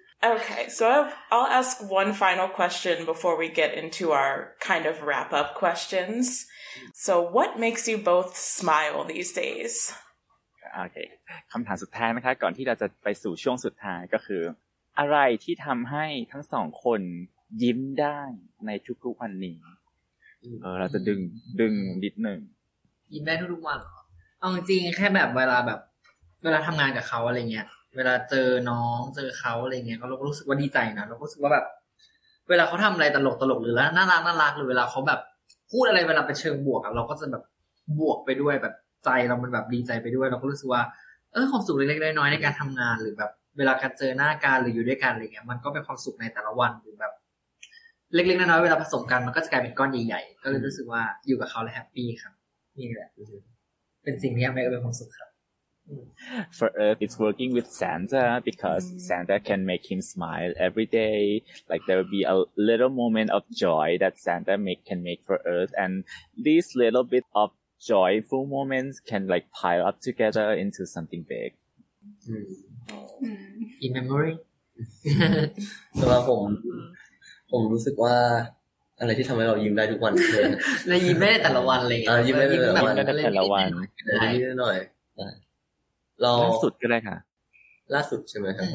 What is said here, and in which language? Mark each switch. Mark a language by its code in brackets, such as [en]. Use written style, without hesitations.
[en] Okay, so I'll ask one final question before we get into our kind of wrap-up questions. So what makes you both smile these days? [th] โอเคคำถามสุดท้ายนะคะก่อนที่เราจะไปสู่ช่วงสุดท้ายก็คืออะไรที่ทำให้ทั้งสองคนยิ้มได้ในทุกวันนี้เราจะดึงนิดหนึ่ง ยิ้มได้ทุกวันเหรอเอาจริงแค่แบบเวลาทำงานกับเขาอะไรเงี้ยเวลาเจอน้องเจอเขาอะไรเงี้ยก็เราก็รู้สึกว่าดีใจนะเราก็รู้สึกว่าแบบเวลาเขาทำอะไรตลกหรือแล้วน่ารักหรือเวลาเขาแบบพูดอะไรเวลาไปเชิงบวกอะเราก็จะแบบบวกไปด้วยแบบใจเรามันแบบดีใจไปด้วยเราก็รู้สึกว่าความสุขเล็กๆน้อยๆในการทำงานหรือแบบเวลาการเจอหน้ากันหรืออยู่ด้วยกันอะไรเงี้ยมันก็เป็นความสุขในแต่ละวันหรือแบบ เล็กๆน้อยๆเวลาผสมกันมันก็จะกลายเป็นก้อนใหญ่ๆก็เลยรู้สึกว่าอยู่กับเขาแล้วแฮปปี้ครับนี่แหละเป็นสิ่งที่ทำให้เป็นความสุขครับ [en] For Earth, it's working with Santa because Santa can make him smile every day. Like, there will be a little moment of joy that Santa can make for Earth. And this little bit of joyful moments can, like, pile up together into something big. Mm. In memory? So, I'm [th] รู้สึกว่าอะไรที่ทำให้เรายิ้มได้ทุกวันเล ยยิ้มไม่ได้แต่ละวันเลย ยิ้มไม่ได้แต่ละวัน แต่ละวัน ได้หน่อย ล่าสุดก็ได้ค่ะ ล่าสุดใช่ไหมครับ